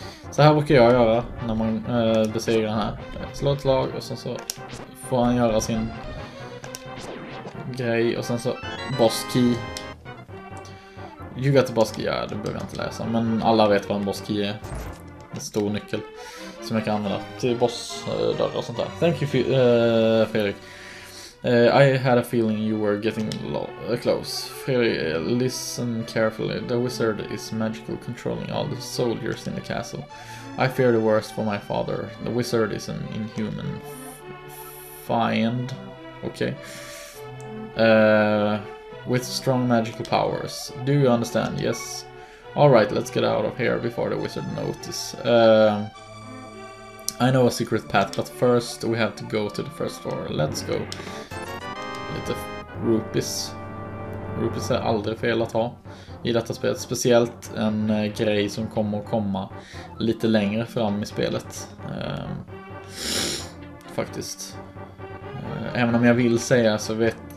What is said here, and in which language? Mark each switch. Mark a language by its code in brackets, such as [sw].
[sv] Så här brukar jag göra när man besegrar den här. Slå ett lag och sen så får han göra sin grej och sen så boss key. [en] You got the boss key, [sv] ja, det behöver jag inte läsa. Men alla vet vad en boss key är. En stor nyckel som jag kan använda till bossdörrar och sånt där. [en] Thank you, Fredrik. I had a feeling you were getting close. Fredrik, listen carefully. The wizard is magical, controlling all the soldiers in the castle. I fear the worst for my father. The wizard is an inhuman fiend. Okay. With strong magical powers. Do you understand? Yes. Alright, let's get out of here before the wizard notices. I know a secret path, but first we have to go to the first floor. Let's go. [sv] Lite rupees. Rupees är aldrig fel att ha i detta spelet. Speciellt en grej som kommer att komma lite längre fram i spelet. Faktiskt. Även om jag vill säga så vet...